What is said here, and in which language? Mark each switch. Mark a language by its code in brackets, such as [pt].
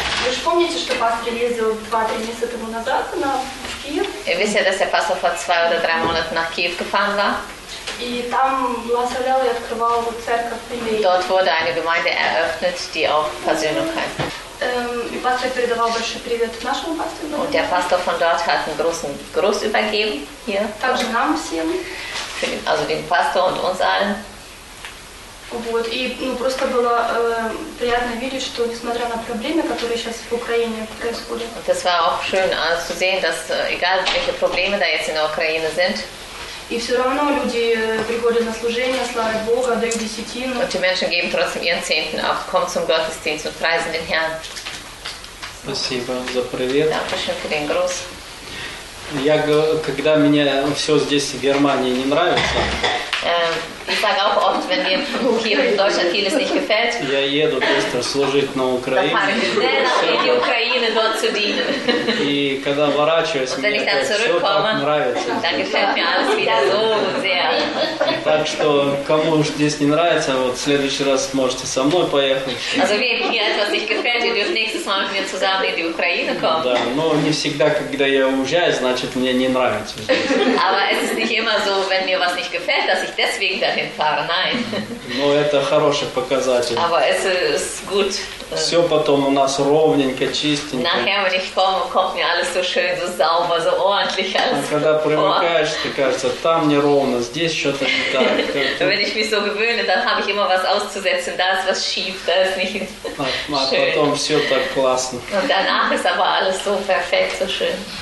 [ru] Вы же помните, что пастор ездил 2-3 месяца тому назад на Киев? [de] Ihr wisst ja, dass der Pastor vor 2 oder 3 Monaten nach Kiew gefahren war. [ru] И там благословляла и открывала вот церковь Примирение. [de] Dort wurde eine Gemeinde eröffnet, die auch Versöhnung heißt. [ru] И пастор передавал большой привет нашему пастору. [de] Und der Pastor von dort hat einen großen Gruß übergeben hier. [ru] Также нам всем. [de] Für den, also dem Pastor und uns allen. [ru] Вот, и ну, просто было приятно видеть, что несмотря на проблемы, которые сейчас в Украине происходят. [de] Und das war auch schön zu sehen, dass egal welche Probleme da jetzt in der Ukraine sind. [ru] И все равно люди приходят на служение, славят Бога, дают десятину. [de] Und die Menschen geben trotzdem ihren Zehnten auch, kommen zum Gottesdienst und preisen den Herrn. [ru] Спасибо за привет. [de] Dankeschön für den Gruß. [ru] Я, когда мне все здесь в Германии не нравится. [de] Ich sage auch oft, wenn mir hier in Deutschland vieles nicht gefällt. [ru] Я еду быстро служить на Украине. [de] Dann fahre ich schnell in die Ukraine, dort zu dienen. [ru] И когда ворачиваюсь, мне опять все так нравится. [de] Dann gefällt mir alles wieder so sehr. [ru] Так что, кому уж здесь не нравится, вот в следующий раз можете со мной поехать. [de] Also, wenn mir etwas nicht gefällt, ihr dürft nächstes Mal mit mir zusammen in die Ukraine kommen. [ru] Да, но не всегда, когда я уезжаю, значит, мне не нравится здесь. [de] Aber es ist nicht immer so, wenn mir was nicht gefällt, dass ich deswegen dahin fahre, nein. [ru] Ну, это хороший показатель. [de] Aber es ist gut. [ru] Все потом у нас ровненько, чистенько. [de] Nachher, wenn ich komme, kommt mir alles so schön, so sauber, so ordentlich alles. Und [ru] когда привыкаешь, ты кажется, там не ровно, здесь что-то не так. [de] Wenn ich mich so gewöhne, dann habe ich immer was auszusetzen. Da ist was schief, da ist nicht schön. [ru] Потом все так классно. [de] Und danach ist aber alles so perfekt, so schön.